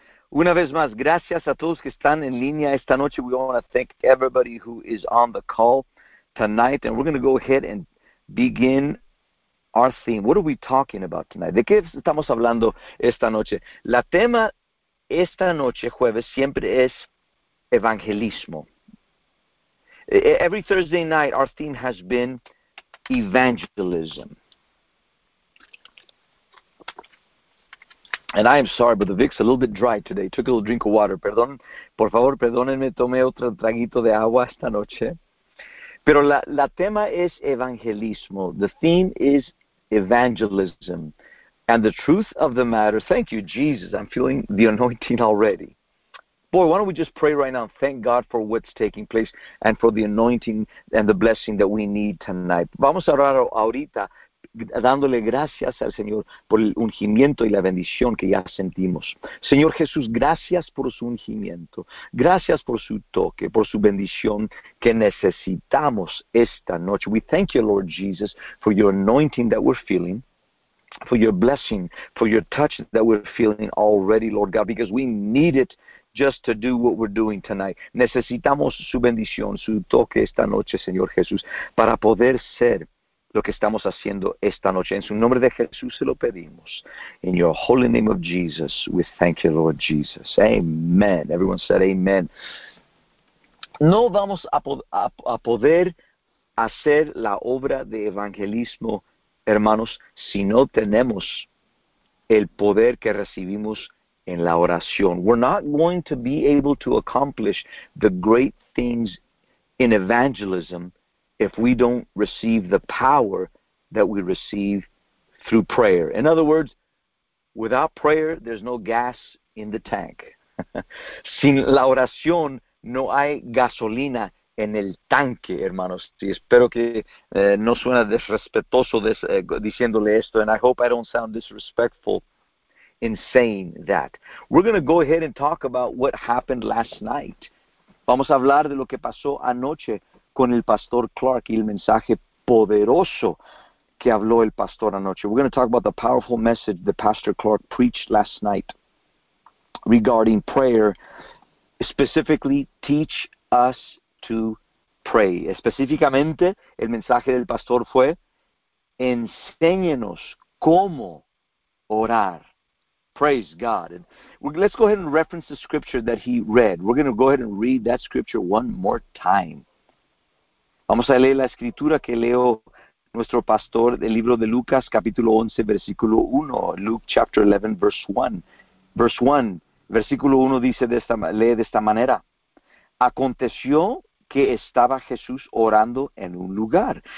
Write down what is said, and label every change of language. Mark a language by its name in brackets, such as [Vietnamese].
[Spanish] Una vez más, gracias a todos que están en línea esta noche. [English] We want to thank everybody who is on the call tonight. And we're going to go ahead and begin our theme. What are we talking about tonight? [Spanish] ¿De qué estamos hablando esta noche? La tema esta noche, jueves, siempre es evangelismo. [English] Every Thursday night, our theme has been evangelism. And I am sorry, but the Vic's a little bit dry today. Took a little drink of water. [Spanish] Perdón, por favor, perdónenme, tomé otro traguito de agua esta noche. Pero la tema es evangelismo. [English] The theme is evangelism. And the truth of the matter, thank you, Jesus. I'm feeling the anointing already. Boy, why don't we just pray right now and thank God for what's taking place and for the anointing and the blessing that we need tonight. [Spanish] Vamos a orar ahorita, dándole gracias al Señor por el ungimiento y la bendición que ya sentimos. Señor Jesús, gracias por su ungimiento. Gracias por su toque, por su bendición que necesitamos esta noche. [English] We thank you, Lord Jesus, for your anointing that we're feeling, for your blessing, for your touch that we're feeling already, Lord God, because we need it just to do what we're doing tonight. [Spanish] Necesitamos su bendición, su toque esta noche, Señor Jesús, para poder ser lo que estamos haciendo esta noche. En su nombre de Jesús se lo pedimos. [English] In your holy name of Jesus, we thank you, Lord Jesus. Amen. Everyone said amen. [Spanish] No vamos a poder hacer la obra de evangelismo, hermanos, si no tenemos el poder que recibimos en la oración. [English] We're not going to be able to accomplish the great things in evangelism if we don't receive the power that we receive through prayer. In other words, without prayer, there's no gas in the tank. [Spanish] Sin la oración, no hay gasolina en el tanque, hermanos. Y espero que no suena desrespetuoso diciéndole esto. [English] And I hope I don't sound disrespectful in saying that. We're going to go ahead and talk about what happened last night. [Spanish] Vamos a hablar de lo que pasó anoche con el pastor Clark y el mensaje poderoso que habló el pastor anoche. [English] We're going to talk about the powerful message that Pastor Clark preached last night regarding prayer. Specifically, teach us to pray. [Spanish] Específicamente, el mensaje del pastor fue, enséñenos cómo orar. [English] Praise God. And let's go ahead and reference the scripture that he read. We're going to go ahead and read that scripture one more time. [Spanish] Vamos a leer la escritura que leo nuestro pastor del libro de Lucas, capítulo 11, versículo 1. [English] Luke, chapter 11, verse 1. Verse 1, [Spanish] versículo 1 dice lee de esta manera. Aconteció que estaba Jesús orando en un lugar.